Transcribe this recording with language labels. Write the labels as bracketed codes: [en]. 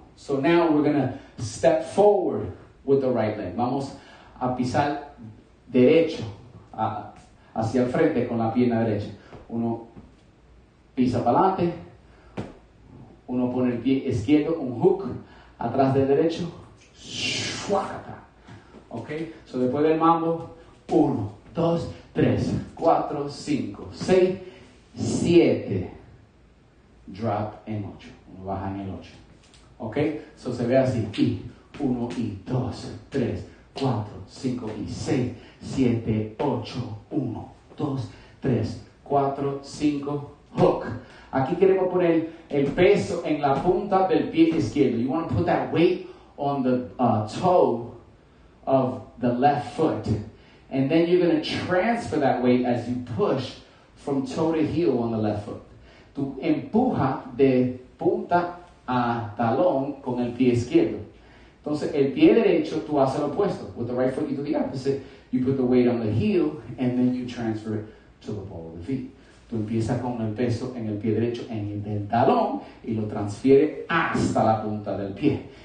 [en] So now we're going to step forward with the right leg. [es] Vamos a pisar derecho hacia el frente con la pierna derecha. Uno pisa para adelante. Uno pone el pie izquierdo, un hook, atrás del derecho. Suácata. Ok. So después del mambo, 1, 2, 3, 4, 5, 6, 7. Drop en 8. Uno baja en el 8. Ok, so se ve así. Y 1, 2, 3, 4, 5, 6, 7, 8. 1, 2, 3, 4, 5. Hook. Aquí queremos poner el peso en la punta del pie izquierdo. [en] You want to put that weight on the toe of the left foot. And then you're going to transfer that weight as you push from toe to heel on the left foot. [es] Tú empuja de punta a talón con el pie izquierdo. Entonces, el pie derecho, tú haces lo opuesto. [en] With the right foot, you do the opposite. You put the weight on the heel, and then you transfer it to the ball of the feet. [es] Tú empiezas con el peso en el pie derecho, en el del talón, y lo transfiere hasta la punta del pie.